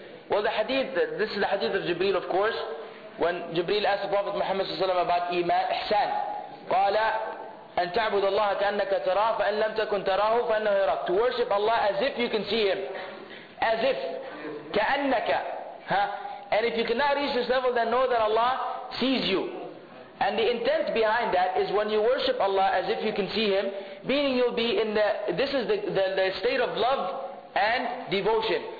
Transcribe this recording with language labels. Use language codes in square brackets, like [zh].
[en] Well, the hadith, this is the hadith of Jibreel, of course. When Jibreel asked the Prophet Muhammad [ar] صلى الله عليه وسلم [en] about [ar] إيمان إحسان, قال أن تعبد الله كأنك تراه فإن لم تكن تراه فإنه يراك. [en] To worship Allah as if you can see Him, as if [ar] كأنك, [en] huh? And if you cannot reach this level, then know that Allah sees you. And the intent behind that is when you worship Allah as if you can see Him, meaning you'll be in the state of love and devotion.